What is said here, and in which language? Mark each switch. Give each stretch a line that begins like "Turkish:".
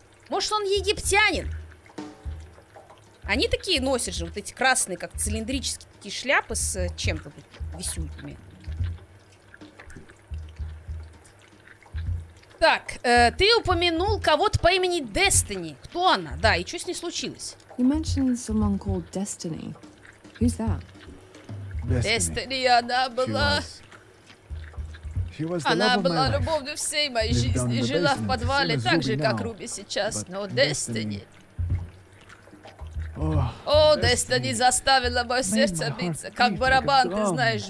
Russian: Может, он египтянин? Они такие носят же, вот эти красные, как цилиндрические такие шляпы с чем-то тут висюльками. Так, ты упомянул кого-то по имени Destiny. Кто она? Да, и что с ней случилось?
English: You mentioned someone called Destiny. Who's that?
Russian: Destiny, она была... Она была любовью всей моей жизни, жила в подвале, так же, как Руби сейчас. Но Destiny... О, Destiny заставила мое сердце биться, как барабан, ты знаешь.